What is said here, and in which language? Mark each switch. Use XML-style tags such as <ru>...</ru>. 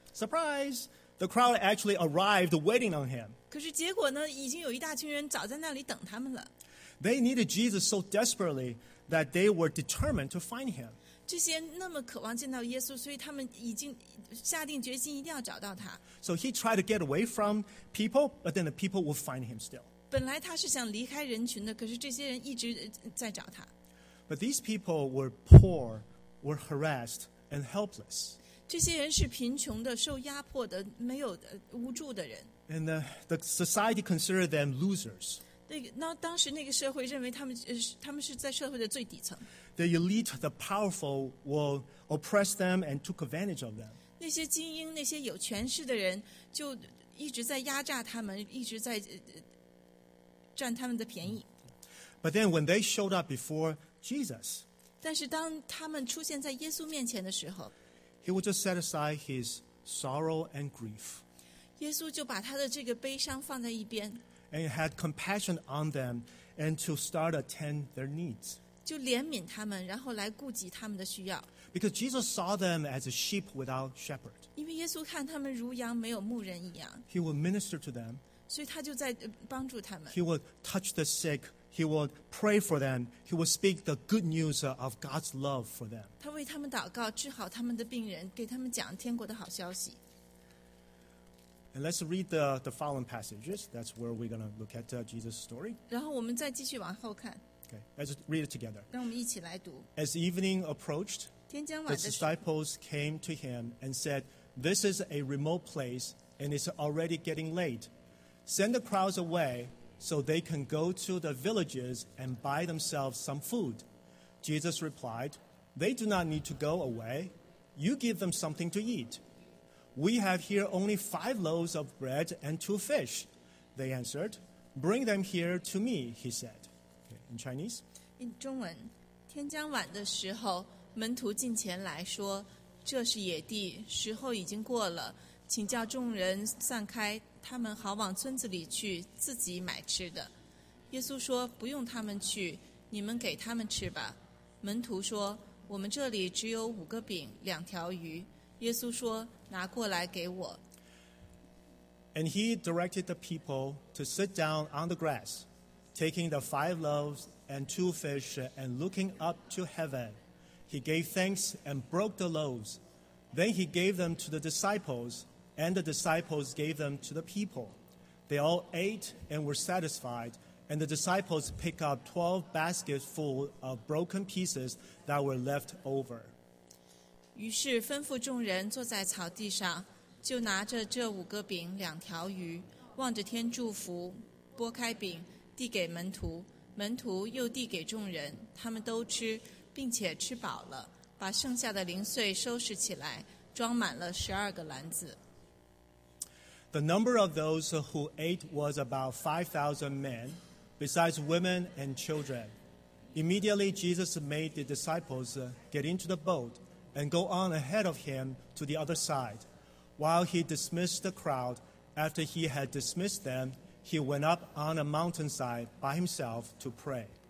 <en>Surprise! The crowd actually arrived waiting on him.</en> <zh>可是结果呢，已经有一大群人早在那里等他们了。</zh> <en>They needed Jesus so desperately that they were determined to find him.</en> <zh>这些那么渴望见到耶稣，所以他们已经下定决心一定要找到他。</zh> <en>So he tried to get away from people, but then the people would find him still.</en> <zh>本来他是想离开人群的，可是这些人一直在找他。</zh> <en>But these people were poor, were harassed, and helpless.</en> <zh>这些人是贫穷的，受压迫的，没有无助的人。</zh> <en>And the society considered them losers.</en> <zh>那当时那个社会认为他们是在社会的最底层。</zh> <en>The elite, the powerful, will oppress them and took advantage of them.</en> <zh>那些精英，那些有权势的人，就一直在压榨他们，一直在占他们的便宜。</zh> <en>But then when they showed up before Jesus,</en> <zh>但是当他们出现在耶稣面前的时候</zh> <en>，He would just set aside his sorrow and grief.</en> <zh>耶稣就把他的这个悲伤放在一边。</zh> <en>And had compassion on them, and to start attend their needs.</en> <zh>就怜悯他们，然后来顾及他们的需要。</zh> <en>Because Jesus saw them as a sheep without shepherd.</en> <zh>因为耶稣看他们如羊没有牧人一样。</zh> <en>He would minister to them.</en> <zh>所以他就在帮助他们。</zh> <en>He would touch the sick. He would pray for them. He would speak the good news of God's love for them.</en> <zh>他为他们祷告，治好他们的病人，给他们讲天国的好消息。</zh> <en>And let's read the following passages. That's where we're going to look at Jesus' story.</en> <zh>然后我们再继续往后看。</zh> <en>Okay, let's read it together.</en> <zh>让我们一起来读。</zh> <en>As evening approached,</en> <zh>天将晚的时</zh> <en>候, the disciples came to him and said, This is a remote place and it's already getting late. Send the crowds away so they can go to the villages and buy themselves some food. Jesus replied, They do not need to go away. You give them something to eat. We have here only 5 loaves of bread and 2 fish. They answered, Bring them here to me, he said. Okay, in Chinese?</en> <zh>In 中文，天将晚的时候，门徒近前来说，这是野地，时候已经过了，请叫众人散开，他们好往村子里去自己买吃的。耶稣说，不用他们去，你们给他们吃吧。门徒说，我们这里只有5个饼，2条鱼。耶稣说拿过来给我</zh> <en>And he directed the people to sit down on the grass taking the 5 loaves and 2 fish and looking up to heaven he gave thanks and broke the loaves then he gave them to the disciples and the disciples gave them to the people They all ate and were satisfied, and the disciples picked up 12 baskets full of broken pieces that were left over.</en> <zh>于是吩咐众人坐在草地上，就拿着这五个饼两条鱼，望着天祝福，拨开饼递给门徒，门徒又递给众人，他们都吃，并且吃饱了，把剩下的零碎收拾起来，装满了12个篮子。</zh> <en>The number of those who ate was about 5,000 men, besides women and children. Immediately, Jesus made the disciples get into the boat and go on ahead of him to the other side. While he dismissed the crowd, after he had dismissed them, he went up on a mountainside by himself to pray.</en>